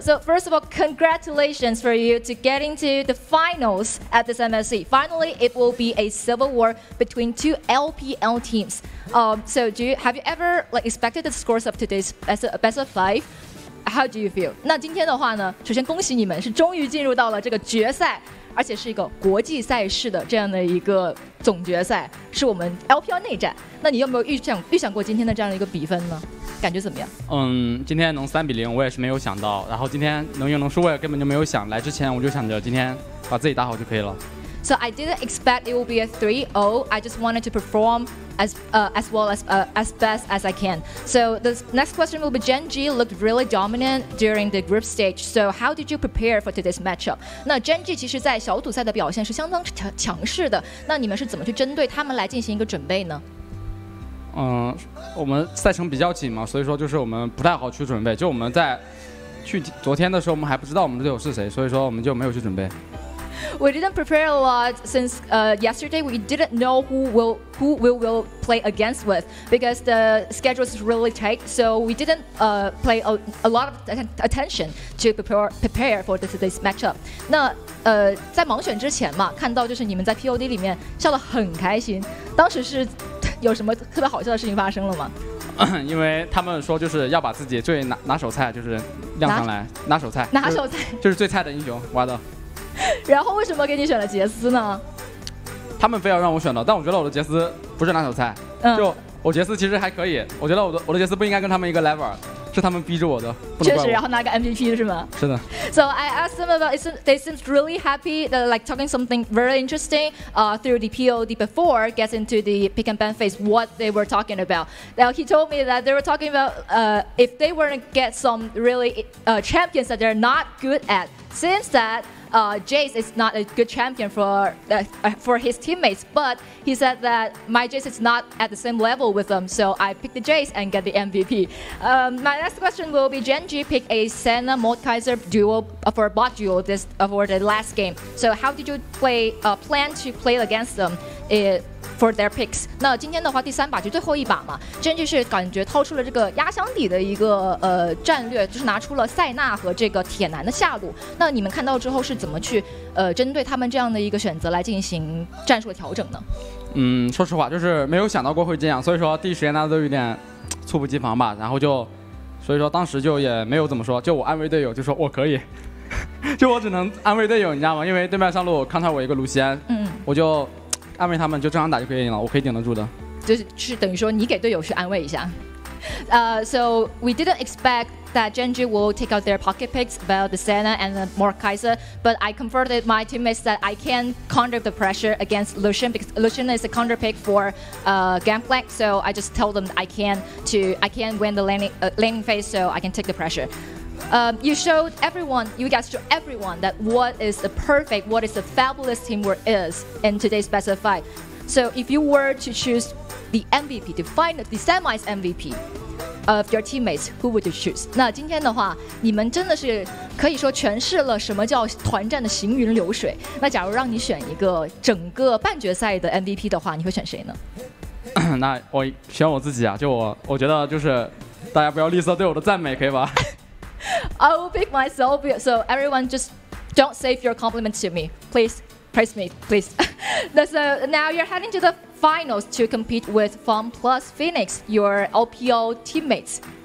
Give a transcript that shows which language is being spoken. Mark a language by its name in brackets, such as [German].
[English] So first of all, congratulations for you to get into the finals at this MSC. Finally, it will be a civil war between two LPL teams. So do you, have you ever like, expected the scores of today's best of five? How do you feel? [Chinese] 那今天的话呢，首先恭喜你们是终于进入到了这个决赛，而且是一个国际赛事的这样的一个总决赛，是我们 LPL 内战。那你有没有预想过今天的这样的一个比分呢？感觉怎么样？嗯，今天能3-0，我也是没有想到。然后今天能赢能输，我也根本就没有想。来之前我就想着今天把自己打好就可以了。 [English] So I didn't expect it will be a 3-0. I just wanted to perform as best as I can. So the next question will be, Gen.G looked really dominant during the group stage. So how did you prepare for today's matchup? [Chinese] 那 Gen.G 其实在小组赛的表现是相当强势的。那你们是怎么去针对他们来进行一个准备呢？我们赛程比较紧嘛，所以说就是我们不太好去准备。就我们在昨天的时候，我们还不知道我们的队友是谁，所以说我们就没有去准备。 [English] We didn't prepare a lot since yesterday. We didn't know who we will play against with because the schedule is really tight. So we didn't play a lot of attention to prepare for this matchup. [Chinese] 那在盲选之前嘛，看到就是你们在 POD 里面笑得很开心。当时是有什么特别好笑的事情发生了吗？因为他们说就是要把自己最拿手菜就是亮上来，拿手菜，拿手菜，就是最菜的英雄，挖的。然后为什么给你选了杰斯呢？他们非要让我选的，但我觉得我的杰斯不是拿手菜，就我杰斯其实还可以。我觉得我的杰斯不应该跟他们一个 level， 是他们逼着我的，不能怪我。确实，然后拿个 MVP 是吗？是的。 [English] So I asked them about they seem really happy that like talking something very interesting through the POD before gets into the pick and ban phase. What they were talking about? Now he told me that they were talking about if they weren't get some really champions that they're not good at, since that. Jace is not a good champion for his teammates, but he said that my Jace is not at the same level with them, so I picked the Jace and get the MVP. My next question will be, Gen.G picked a Senna Mold Kaiser duo for a bot duo for the last game. So how did you plan to play against them for their picks? [Chinese] 那今天的话第三把就最后一把嘛， Gen.G 是感觉掏出了这个压箱底的一个战略，就是拿出了塞纳和这个铁男的下路。那你们看到之后是怎么去针对他们这样的一个选择来进行战术的调整呢？嗯，说实话就是没有想到过会这样，所以说第一时间大家都有点猝不及防吧，然后就所以说当时就也没有怎么说，就我安慰队友就说我可以就我只能安慰队友你知道吗？因为对面上路看到我一个卢锡安，我就安慰他们就正常打就可以了，我可以顶得住的。就是等于说你给队友去安慰一下。 [English] So we didn't expect that Gen.G will take out their pocket picks about the Senna and the Mord Kaiser, but I comforted my teammates that I can counter the pressure against Lucian because Lucian is a counter pick for Gangplank, so I just tell them that I can win the laning phase, so I can take the pressure. You guys showed everyone that what is the fabulous teamwork is in today's best of five. So if you were to choose the MVP, the final, the semis MVP of your teammates, who would you choose? [Chinese] 那今天的话，你们真的是可以说诠释了什么叫团战的行云流水。那假如让你选一个整个半决赛的 MVP 的话，你会选谁呢？那我选我自己啊，就我觉得就是大家不要吝啬对我的赞美，可以吧？ [English] I will pick myself, so everyone just don't save your compliments to me. Please, praise me, please. So now you're heading to the finals to compete with FUN Plus Phoenix, your LPL teammates.